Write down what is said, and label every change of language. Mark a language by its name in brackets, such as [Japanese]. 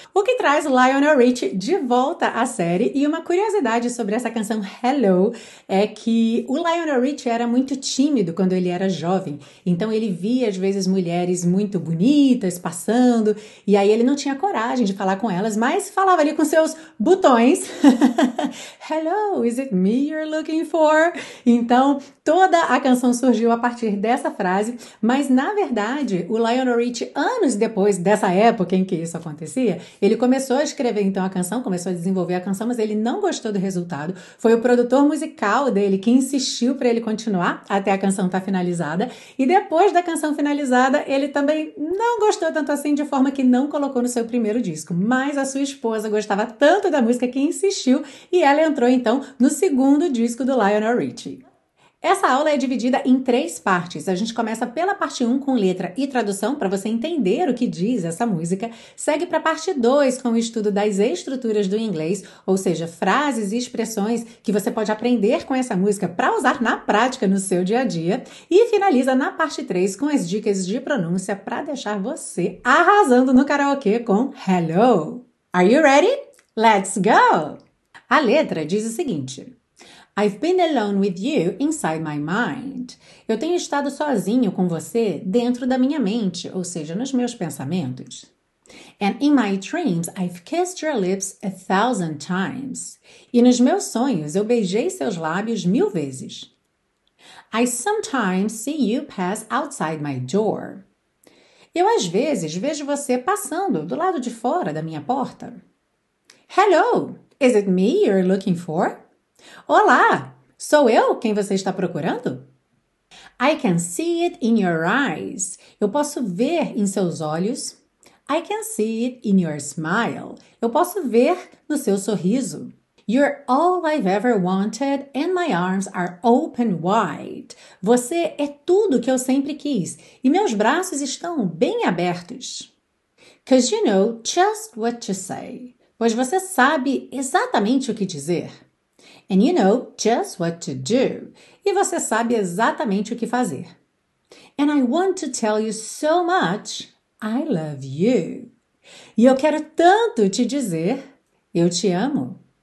[Portuguese] O que traz Lionel Richie de volta à série e uma curiosidade sobre essa canção Hello é que o Lionel Richie era muito tímido quando ele era jovem, então ele via às vezes mulheres muito bonitas passando e aí ele não tinha coragem de falar com elas, mas falava ali com seus botões. [English] Hello, is it me you're looking for? [Portuguese] Então toda a canção surgiu a partir dessa frase, mas na verdade o Lionel Richie, anos depois dessa época em que isso acontecia, ele começou a escrever então a canção, começou a desenvolver a canção, mas ele não gostou do resultado. Foi o produtor musical dele que insistiu para ele continuar até a canção estar finalizada. E depois da canção finalizada, ele também não gostou tanto assim, de forma que não colocou no seu primeiro disco. Mas a sua esposa gostava tanto da música que insistiu e ela entrou então no segundo disco do Lionel Richie. Essa aula é dividida em três partes. A gente começa pela parte 1 com letra e tradução, para você entender o que diz essa música. Segue para a parte 2 com o estudo das estruturas do inglês, ou seja, frases e expressões que você pode aprender com essa música para usar na prática no seu dia a dia. E finaliza na parte 3 com as dicas de pronúncia para deixar você arrasando no karaokê com Hello! [English] Are you ready? Let's go! [Portuguese] A letra diz o seguinte. [English] I've been alone with you inside my mind. [Portuguese] Eu tenho estado sozinho com você dentro da minha mente, ou seja, nos meus pensamentos. [English] And in my dreams, I've kissed your lips 1,000 times. [Portuguese] E nos meus sonhos, eu beijei seus lábios 1,000 vezes. [English] I sometimes see you pass outside my door. [Portuguese] Eu, às vezes, vejo você passando do lado de fora da minha porta. [English] Hello, is it me you're looking for? [Portuguese] Olá, sou eu quem você está procurando? [English] I can see it in your eyes. [Portuguese] Eu posso ver em seus olhos. [English] I can see it in your smile. [Portuguese] Eu posso ver no seu sorriso. [English] You're all I've ever wanted and my arms are open wide. [Portuguese] Você é tudo que eu sempre quis e meus braços estão bem abertos. [English] 'Cause you know just what to say. [Portuguese] Pois você sabe exatamente o que dizer. [English] And you know just what to do. [Portuguese] E você sabe exatamente o que fazer. [English] And I want to tell you so much, I love you. [Portuguese] E eu quero tanto te dizer, eu te amo.